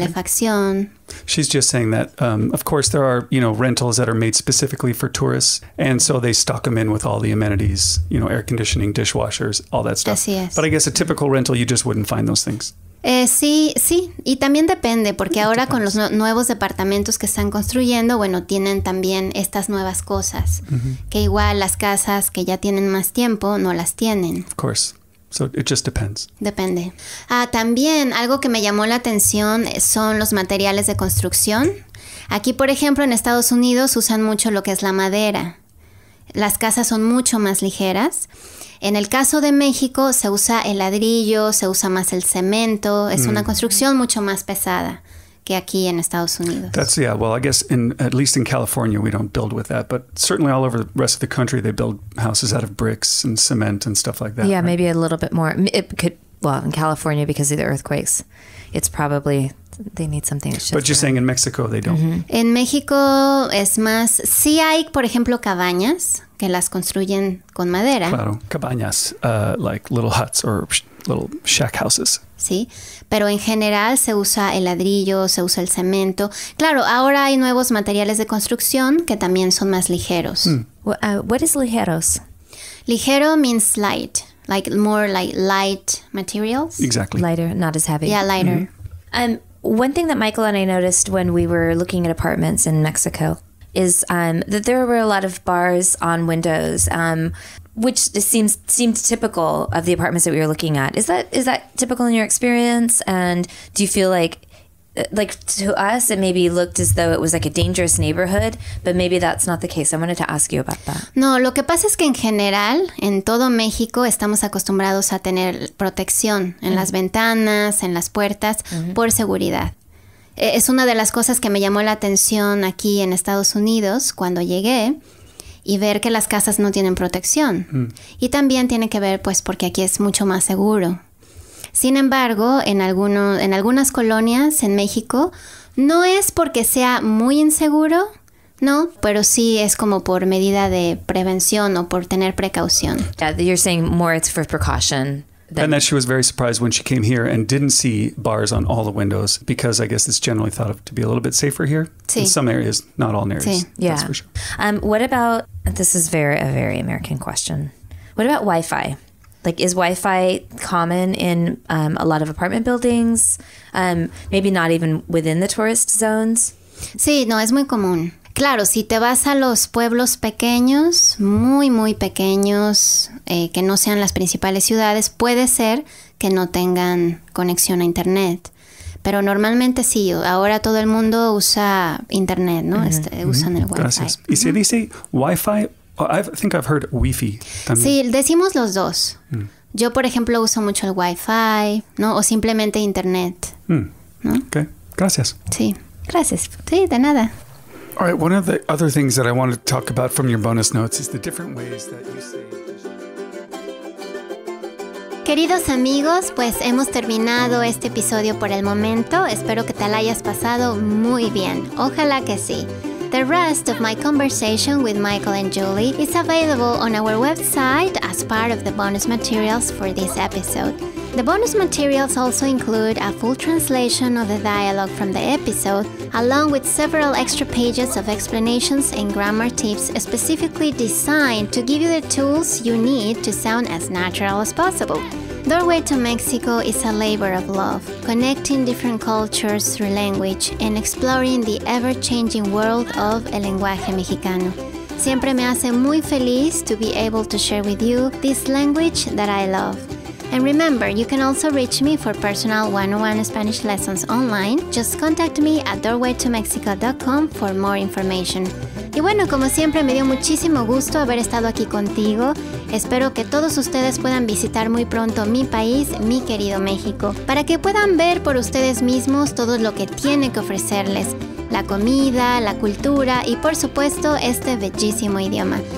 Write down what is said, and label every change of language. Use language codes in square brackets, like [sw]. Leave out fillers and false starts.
[es] Calefacción. [en] She's just saying that, of course, there are, you know, rentals that are made specifically for tourists, and so they stock them in with all the amenities, you know, air conditioning, dishwashers, all that stuff. [es] Así es. [en] But I guess a typical rental, you just wouldn't find those things. [es] Sí, sí. Y también depende, porque ahora con los nuevos departamentos que están construyendo, bueno, tienen también estas nuevas cosas, mm-hmm. que igual las casas que ya tienen más tiempo no las tienen. [en] Of course. So it just depends. [es] Depende. También algo que me llamó la atención son los materiales de construcción. Aquí, por ejemplo, en Estados Unidos usan mucho lo que es la madera. Las casas son mucho más ligeras. En el caso de México, se usa el ladrillo, se usa más el cemento. Es una construcción mucho más pesada que aquí en Estados Unidos. [en] That's, yeah, well, I guess at least in California, we don't build with that. But certainly all over the rest of the country, they build houses out of bricks and cement and stuff like that. Yeah, right? Maybe a little bit more. It could, well, in California, because of the earthquakes, it's probably, they need something. But you're saying in Mexico, they don't. Mm-hmm. [es] En México es más, sí hay, por ejemplo, cabañas. Que las construyen con madera. Claro, cabañas, [en] like little huts or little shack houses. [es] Sí, pero en general se usa el ladrillo, se usa el cemento. Claro, ahora hay nuevos materiales de construcción que también son más ligeros. [en] What is ligeros? Ligero means light. Like more like light materials? Exactly. Lighter, not as heavy. Yeah, lighter. Mm-hmm. One thing that Michael and I noticed when we were looking at apartments in Mexico is that there were a lot of bars on windows, which seemed typical of the apartments that we were looking at. Is that typical in your experience? And do you feel like to us, it maybe looked as though it was like a dangerous neighborhood, but maybe that's not the case. I wanted to ask you about that. [es] No, lo que pasa es que en general, en todo México, estamos acostumbrados a tener protección en mm-hmm. las ventanas, en las puertas, mm-hmm. por seguridad. Es una de las cosas que me llamó la atención aquí en Estados Unidos cuando llegué y ver que las casas no tienen protección. Mm. Y también tiene que ver, pues, porque aquí es mucho más seguro. Sin embargo, en algunas colonias en México, no es porque sea muy inseguro, no, pero sí es como por medida de prevención o por tener precaución. [en] Yeah, you're saying more it's for precaution. And that she was very surprised when she came here and didn't see bars on all the windows, because I guess it's generally thought of to be a little bit safer here. [es] Sí. [en] In some areas, not all areas. [es] Sí. [en] Yeah. That's for sure. What about, this is a very American question. What about Wi-Fi? Like, is Wi-Fi common in a lot of apartment buildings? Maybe not even within the tourist zones? [es] Sí, no, es muy común. Claro, si te vas a los pueblos pequeños, muy, muy pequeños, que no sean las principales ciudades, puede ser que no tengan conexión a internet. Pero normalmente sí, ahora todo el mundo usa internet, ¿no? Mm-hmm. Usan el Wi-Fi. Gracias. Mm-hmm. Y se dice Wi-Fi, [en] I think I've heard [es] Wi-Fi también. Sí, decimos los dos. Mm. Yo, por ejemplo, uso mucho el Wi-Fi, ¿no? O simplemente internet. Mm. ¿No? Ok, gracias. Sí, gracias. Sí, de nada. [en] All right, one of the other things that I want to talk about from your bonus notes is the different ways that you say. [es] Queridos amigos, pues hemos terminado este episodio por el momento. Espero que te la hayas pasado muy bien. Ojalá que sí. [en] The rest of my conversation with Michael and Julie is available on our website as part of the bonus materials for this episode. The bonus materials also include a full translation of the dialogue from the episode, along with several extra pages of explanations and grammar tips specifically designed to give you the tools you need to sound as natural as possible. Doorway to Mexico is a labor of love, connecting different cultures through language and exploring the ever-changing world of [es] el lenguaje mexicano. Siempre me hace muy feliz [en] to be able to share with you this language that I love. And remember, you can also reach me for personal 101 Spanish lessons online. Just contact me at doorwaytomexico.com for more information. [es] Y bueno, como siempre, me dio muchísimo gusto haber estado aquí contigo. Espero que todos ustedes puedan visitar muy pronto mi país, mi querido México, para que puedan ver por ustedes mismos todo lo que tiene que ofrecerles. La comida, la cultura y, por supuesto, este bellísimo idioma.